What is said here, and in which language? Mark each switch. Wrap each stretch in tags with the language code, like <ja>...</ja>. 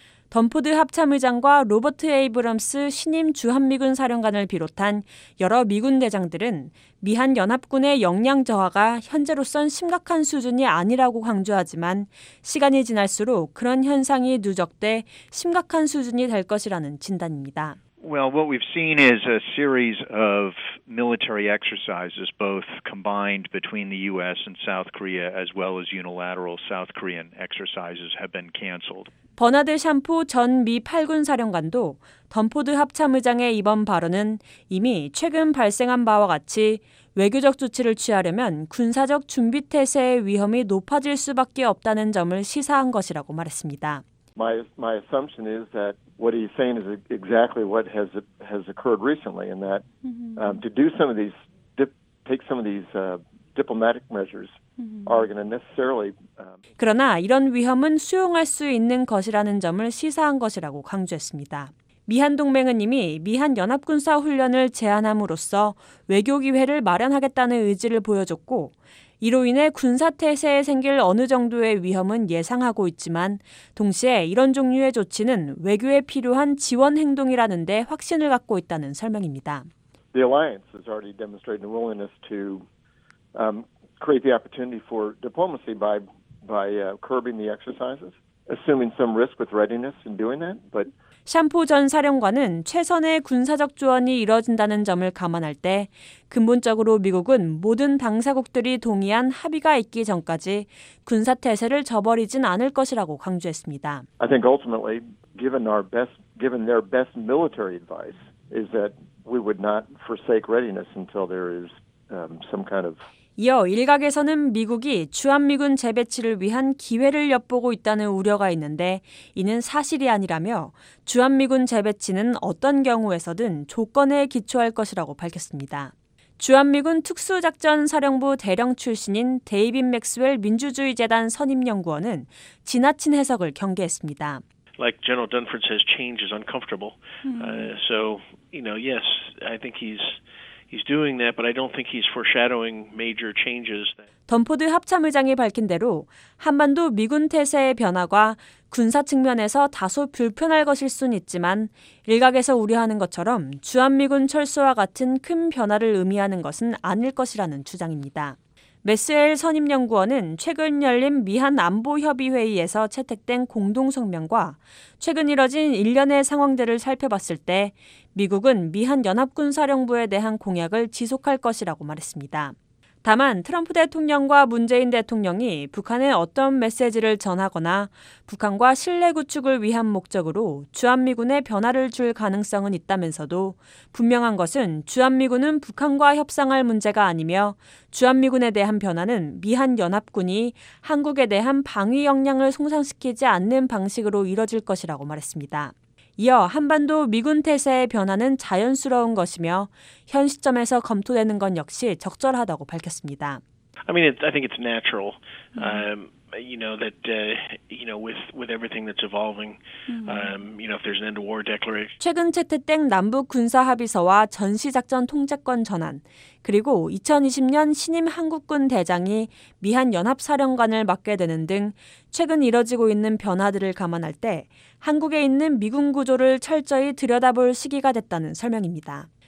<ko>덤포드 합참의장과 로버트 에이브럼스 신임 주한미군 사령관을 비롯한 여러 미군 대장들은 미한 연합군의 역량 저하가 현재로선 심각한 수준이 아니라고 강조하지만 시간이 지날수록 그런 현상이 누적돼 심각한 수준이 될 것이라는 진단입니다.</ko> <en>Well, what we've seen is a series of military exercises both combined between the US and South Korea as well as unilateral South Korean exercises have been canceled.</en> <ko>버나드 샴푸 전 미 8군 사령관도 덤포드 합참의장의 이번 발언은 이미 최근 발생한 바와 같이 외교적 조치를 취하려면 군사적 준비 태세의 위험이 높아질 수밖에 없다는 점을 시사한 것이라고 말했습니다.</ko> <en>My assumption is that what he's saying is exactly what has occurred recently and that to do some of these take some of these diplomatic measures are going to necessarily</en> <ko>그러나 이런 위험은 수용할 수 있는 것이라는 점을 시사한 것이라고 강조했습니다. 미한 동맹은 이미 미한 연합군사 훈련을 제안함으로써 외교 기회를 마련하겠다는 의지를 보여줬고 이로 인해 군사 태세에 생길 어느 정도의 위험은 예상하고 있지만 동시에 이런 종류의 조치는 외교에 필요한 지원 행동이라는 데 확신을 갖고 있다는 설명입니다.</ko> <en>The alliance has already demonstrated a willingness to create the opportunity for diplomacy by curbing the exercises, assuming some risk with readiness in doing that, but</en> <ko>샴푸 전 사령관은 최선의 군사적 조언이 이뤄진다는 점을 감안할 때 근본적으로 미국은 모든 당사국들이 동의한 합의가 있기 전까지 군사태세를 저버리진 않을 것이라고 강조했습니다.</ko> <en>I think ultimately, given our best given their best military advice, is that we would not forsake readiness until there is some kind of.</en> <ko>이어 일각에서는 미국이 주한미군 재배치를 위한 기회를 엿보고 있다는 우려가 있는데 이는 사실이 아니라며 주한미군 재배치는 어떤 경우에서든 조건에 기초할 것이라고 밝혔습니다. 주한미군 특수작전사령부 대령 출신인 데이빗 맥스웰 민주주의재단 선임연구원은 지나친 해석을 경계했습니다.</ko> <en>Like General Dunford says, change is uncomfortable. So, you know, yes, I think he's doing that, but I don't think he's foreshadowing major changes.</en> <ko>던포드 합참의장이 밝힌 대로 한반도 미군 태세의 변화가 군사 측면에서 다소 불편할 것일 순 있지만 일각에서 우려하는 것처럼 주한미군 철수와 같은 큰 변화를 의미하는 것은 아닐 것이라는 주장입니다. 메스웰 선임연구원은 최근 열린 미한안보협의회의에서 채택된 공동성명과 최근 이뤄진 일련의 상황들을 살펴봤을 때 미국은 미한연합군사령부에 대한 공약을 지속할 것이라고 말했습니다. 다만 트럼프 대통령과 문재인 대통령이 북한에 어떤 메시지를 전하거나 북한과 신뢰 구축을 위한 목적으로 주한미군에 변화를 줄 가능성은 있다면서도 분명한 것은 주한미군은 북한과 협상할 문제가 아니며 주한미군에 대한 변화는 미한연합군이 한국에 대한 방위 역량을 손상시키지 않는 방식으로 이뤄질 것이라고 말했습니다. 이어 한반도 미군 태세의 변화는 자연스러운 것이며 현 시점에서 검토되는 건 역시 적절하다고 밝혔습니다.</ko> <en>I mean, I think it's natural, you know, that you know, with everything that's evolving, you know, if there's an end of war declaration.</en> <ko>최근 채택된 남북 군사 합의서와 전시 작전 통제권 전환, 그리고 2020년 신임 한국군 대장이 미한 연합 사령관을 맡게 되는 등 최근 이뤄지고 있는 변화들을 감안할 때 한국에 있는 미군 구조를 철저히 들여다볼 시기가 됐다는 설명입니다.</ko>